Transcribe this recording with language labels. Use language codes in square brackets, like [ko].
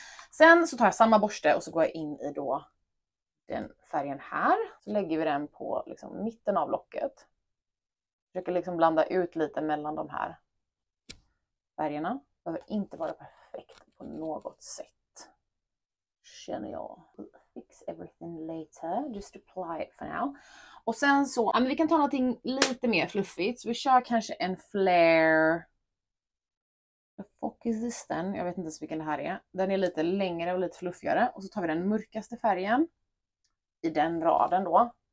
[sv] Sen så tar jag samma borste och så går jag in i då den färgen här. Så lägger vi den på liksom mitten av locket. Försöker liksom blanda ut lite mellan de här färgerna. Behöver inte vara perfekt på något sätt. Känner jag. [en] We'll fix everything later. Just apply it for now. [sv] Och sen så, ja, men vi kan ta någonting lite mer fluffigt. Så vi kör kanske en flare. [en] The fuck is this then? [sv] Jag vet inte ens vilken det här är. Den är lite längre och lite fluffigare. Och så tar vi den mörkaste färgen. I den raden då.